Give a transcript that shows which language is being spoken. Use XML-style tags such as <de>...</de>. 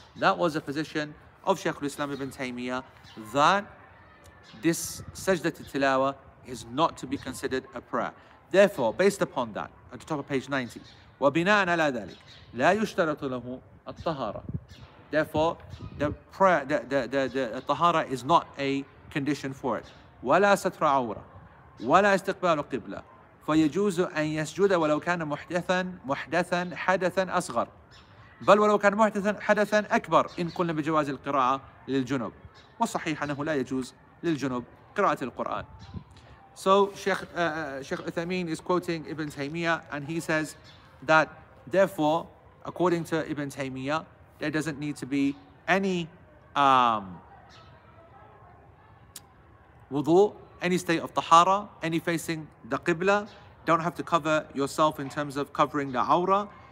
<en>That was a position of Shaykh al-Islam ibn Taymiyyah, that this sajdat al-tilawa is not to be considered a prayer. Therefore, based upon that, at the top of page 90,</en> <ar>وَبِنَاءً عَلَىٰ ذَلِكَ لَا يُشْتَرَطُ لَهُ الطَّهَارَةِ.</ar> <en>Therefore, the prayer, the tahara is not a condition for it.</en> <ar>وَلَا سَتْرَ عَوْرَ وَلَا إِسْتِقْبَالُ قِبْلَ فَيَجُوزُ أَنْ يَسْجُدَ وَلَوْ كَانَ مُحْدَثًا حَدَثًا أَصْغَرَ بل ولو كان محدثا حدثا اكبر ان قلنا بجواز القراءه للجنوب والصحيح انه لا يجوز للجنوب قراءه القران.</ar> <en>So Sheikh Uthaymeen is quoting Ibn Taymiyyah and he says that therefore according to Ibn Taymiyyah there doesn't need to be any wudu, any state of tahara, any facing the qibla, don't have to cover yourself in terms of covering the awra.</en>